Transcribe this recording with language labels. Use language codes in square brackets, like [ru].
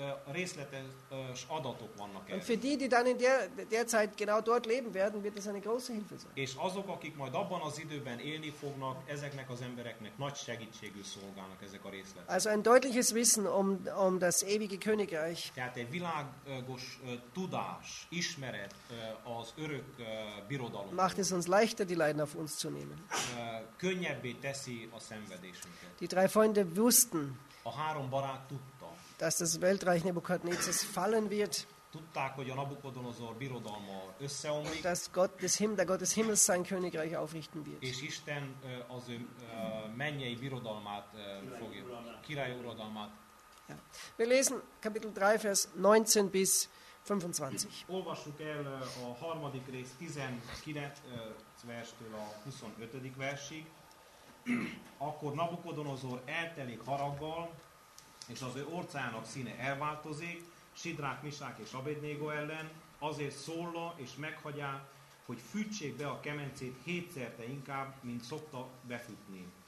[hu] részletes adatok vannak erre. [de] Für die, die dann in der Zeit genau dort leben werden, wird das eine große Hilfe sein. [hu] És azok, akik majd abban az időben élni fognak, ezeknek az embereknek nagy segítségű szolgálnak ezek a részletek. [de] Also ein deutliches Wissen um das ewige Königreich. [hu] Tehát egy világos tudás, ismeret az örök birodalom. [de] Macht es uns leichter, die Leiden auf uns zu nehmen. [hu] Könnyebbé teszi a szenvedésünket. [de] Die drei Freunde wussten, [hu] a három barát tudta, [de] dass das Weltreich Nebukadnezars fallen wird, [hu] tudták, hogy a Nabukodonozor birodalma összeomlik, [de] dass Gott des Himmels sein Königreich aufrichten wird. [hu] És Isten az ő mennyei birodalmát fogja, király uradalmát. [de] Ja. Wir lesen Kapitel 3, Vers 19 bis 25. [hu] Olvassuk el a harmadik rész 19. verstől a 25. versig. Akkor Nabukodonozor eltelik haraggal, és az ő orcának színe elváltozik, Sidrák, Misák és Abednégó ellen, azért szólla és meghagyá, hogy fűtsék be a kemencét hétszerte inkább, mint szokta befűtni.